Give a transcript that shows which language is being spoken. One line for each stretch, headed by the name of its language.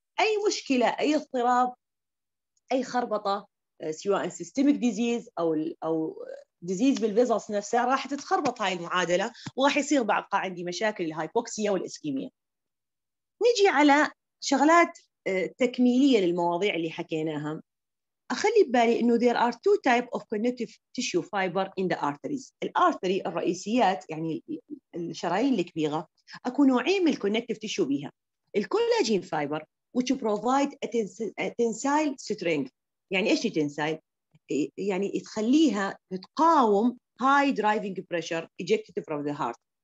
Arabic: اي مشكله اي اضطراب اي خربطه سواء سيستميك ديزيز او ديزيز بالفيزلس نفسها راح تتخربط هاي المعادله وراح يصير بقى عندي مشاكل الهايبوكسيا والاسكيميا. نجي على شغلات تكميليه للمواضيع اللي حكيناها. اخلي ببالي انه
English: there are two type of connective tissue fiber in the arteries.
Arabic: الارتري الرئيسيات يعني الشرايين الكبيره اكو نوعين من الكونكتيف تيشو بيها، الكولاجين فايبر
English: which provide a tensile strength.
Arabic: يعني ايش التنسايل؟ يعني تخليها تقاوم
English: high driving pressure ejected from the heart.